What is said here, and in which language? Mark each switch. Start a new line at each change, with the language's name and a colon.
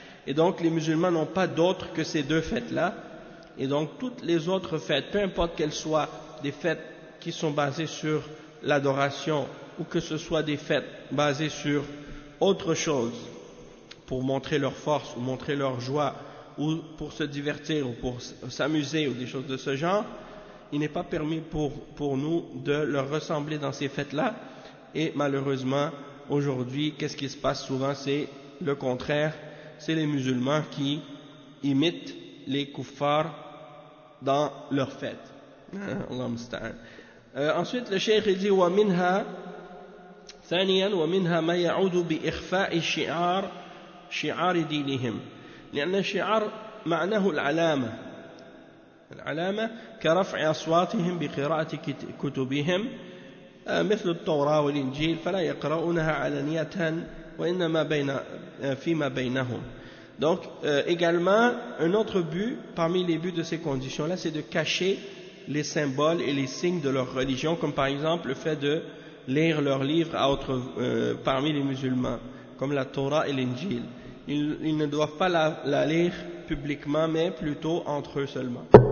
French: Et donc les musulmans n'ont pas d'autre que ces deux fêtes-là. Et donc toutes les autres fêtes, peu importe qu'elles soient des fêtes qui sont basées sur l'adoration ou que ce soit des fêtes basées sur autre chose pour montrer leur force ou montrer leur joie ou pour se divertir ou pour s'amuser ou des choses de ce genre, il n'est pas permis pour nous de leur ressembler dans ces fêtes-là. Et malheureusement, aujourd'hui, qu'est-ce qui se passe souvent? C'est le contraire. C'est les musulmans qui imitent les kuffars dans leurs fêtes.
Arabic: Allah musta'an.
French: Ensuite, le cheikh dit
Arabic: « وَمِنْهَا ثَانِيًا وَمِنْهَا مَا يَعُودُ بِإِخْفَاءِ شِعَارِ دِينِهِمْ لأن الشعار معناه العلامة العلامة كرفع أصواتهم بقراءة كتبهم مثل التوراة والإنجيل فلا يقرؤونها علانية وإنما بين فيما بينهم.
French: Donc également un autre but parmi les buts de ces conditions là c'est de cacher les symboles et les signes de leur religion comme par exemple le fait de lire leurs livres parmi les musulmans comme la Torah et l'Injil. Ils ne doivent pas la lire publiquement, mais plutôt entre eux seulement.